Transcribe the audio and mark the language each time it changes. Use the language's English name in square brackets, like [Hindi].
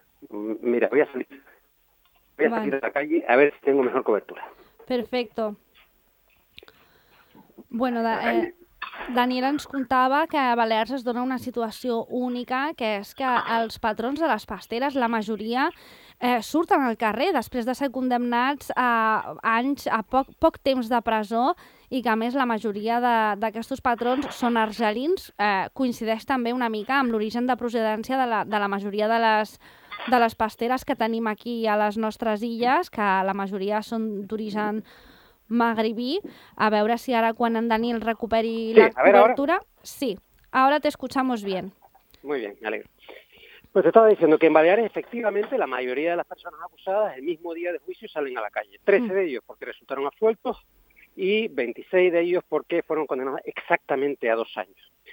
[Spanish] Mira, voy a salir a la calle a ver si tengo mejor cobertura. Perfecto. [Catalan] Bueno, Daniel ens contava que a Balears es dona una situació única, que és que els patrons de les pasteres, la majoria, surten al carrer després de ser condemnats a anys, a poc temps de presó, i que a més la majoria d'aquests patrons són argelins. Coincideix també una mica amb l'origen de procedència de la majoria de les pasteres que tenim aquí a les nostres illes, que la majoria són d'origen magribí. A veure si ara quan en Daniel recuperi la cobertura... [Spanish] Sí, ara te escuchamos bien. Muy bien, me alegro. Pues te estaba diciendo que en Baleares, efectivamente, la mayoría de las personas acusadas el mismo día de juicio salen a la calle. 13 de ellos porque resultaron absueltos y 26 de ellos porque fueron condenados exactamente a 2 años.